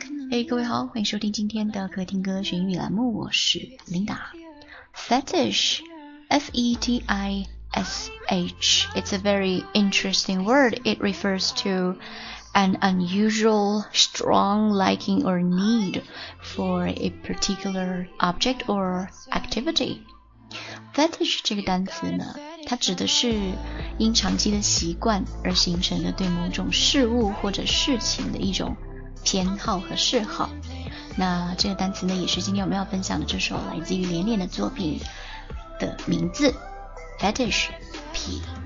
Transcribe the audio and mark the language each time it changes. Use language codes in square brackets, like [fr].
[zh] Hey, 各位好，欢迎收听今天的客厅歌学英语栏目，我是 Linda。 [en] Fetish, F-E-T-I-S-H. It's a very interesting word. It refers to an unusual, strong liking or need for a particular object or activity. [zh] Fetish 这个单词呢，它指的是因长期的习惯而形成的对某种事物或者事情的一种偏好和嗜好。那这个单词呢，也是今天我们要分享的这首来自于连连的作品的名字 Fetish P。